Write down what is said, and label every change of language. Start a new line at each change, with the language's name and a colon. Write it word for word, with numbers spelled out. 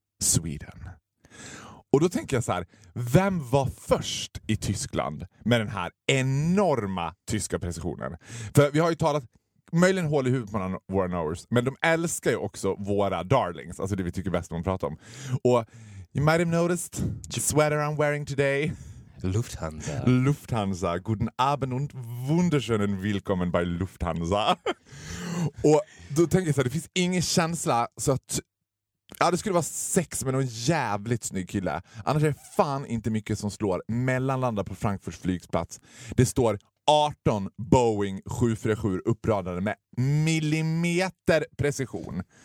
English: Sweden.
Swedish: Och då tänker jag så här, vem var först i Tyskland med den här enorma tyska precisionen? För vi har ju talat, möjligen hål i huvudet på våra knowers, men de älskar ju också våra darlings, alltså det vi tycker bäst om att prata om. Och
English: you might have noticed the sweater I'm wearing today. Lufthansa. Lufthansa.
German: Guten Abend und wunderschönen Willkommen bei Lufthansa.
Swedish: Och då tänker jag så här, det finns ingen känsla så att Ja, det skulle vara sex med någon jävligt snygg kille. Annars är det fan inte mycket som slår. Mellanlandar på Frankfurts flygplats. Det står arton Boeing sju fyrtiosju uppradade med millimeter precision.